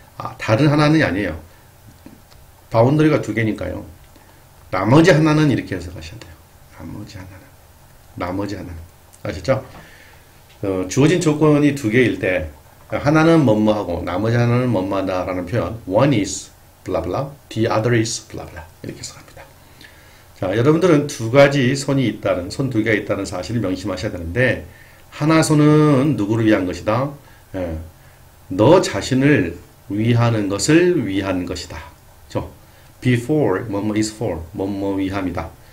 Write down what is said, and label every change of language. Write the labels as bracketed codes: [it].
[ko] 아, 다른 하나는 아니에요. 바운더리가 두 개니까요. 나머지 하나는 이렇게 해석하셔야 돼요. 나머지 하나는. 나머지 하나는. 아셨죠? 주어진 조건이 두 개일 때, 하나는 뭐뭐하고, 나머지 하나는 뭐뭐하다라는 표현. [en] One is blah blah, the other is blah blah. [ko] 이렇게 해석합니다. 자, 여러분들은 두 가지 손이 있다는, 손두 개가 있다는 사실을 명심하셔야 되는데, 하나 손은 누구를 위한 것이다? 예, 너 자신을 위하는 것을 위한 것이다. 그죠? Before, 뭐뭐 [en] is for, [ko] 뭐뭐 위함이다.